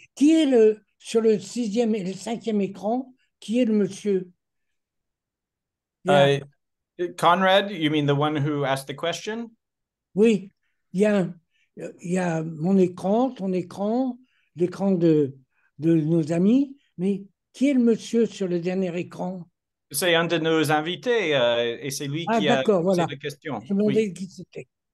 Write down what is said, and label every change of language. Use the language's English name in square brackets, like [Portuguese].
[French] Qui est sur le sixième et le cinquième écran? Qui est le monsieur? [English] Yeah. Conrad, you mean the one who asked the question? [French] Oui, il y a mon écran, ton écran, l'écran de nos amis, mais qui est le monsieur sur le dernier écran? C'est un de nos invités et c'est lui qui a posé voilà. La question. Je me demandais qui c'était.